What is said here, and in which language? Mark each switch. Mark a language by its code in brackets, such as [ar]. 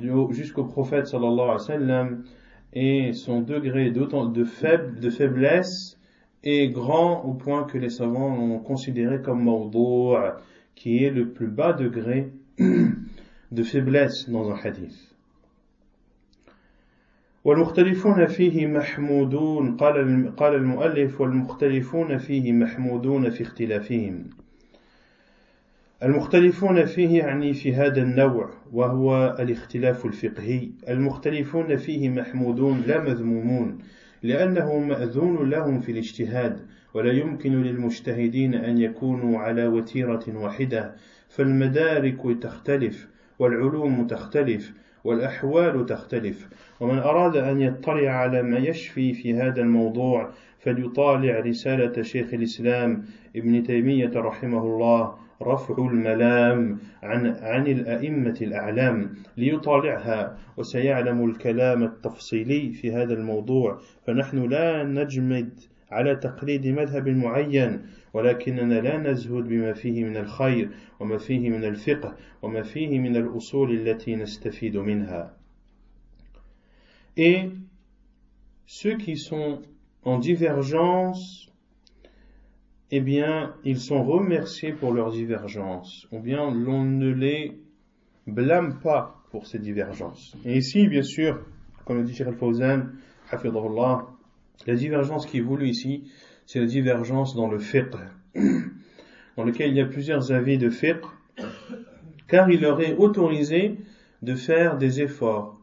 [fr] jusqu'au prophète sallallahu alayhi wa sallam, et son degré de faiblesse est grand au point que les savants l'ont considéré comme mawdou', qui est le plus bas degré de faiblesse dans un hadith. [ar] والمختلفون فيه محمودون قال المؤلف والمختلفون فيه محمودون في اختلافهم المختلفون فيه يعني في هذا النوع وهو الاختلاف الفقهي المختلفون فيه محمودون لا مذمومون لأنه مأذون لهم في الاجتهاد ولا يمكن للمجتهدين أن يكونوا على وتيرة واحدة فالمدارك تختلف والعلوم تختلف والأحوال تختلف ومن أراد أن يطلع على ما يشفي في هذا الموضوع فليطالع رسالة شيخ الإسلام ابن تيمية رحمه الله رفع الملام عن الأئمة الأعلام ليطالعها وسيعلم الكلام التفصيلي في هذا الموضوع فنحن لا نجمد على تقليد مذهب معين ولكننا لا نزهد بما فيه من الخير وما فيه من الفقه وما فيه من الأصول التي نستفيد منها. [fr] Et ceux qui sont en divergence, eh bien, ils sont remerciés pour leur divergence, ou bien l'on ne les blâme pas pour ces divergences. Et ici, bien sûr, comme le dit Cheikh Al-Fawzan, hafidhahullah, la divergence qui est voulue ici, c'est la divergence dans le fiqh, dans lequel il y a plusieurs avis de fiqh, car il leur est autorisé de faire des efforts.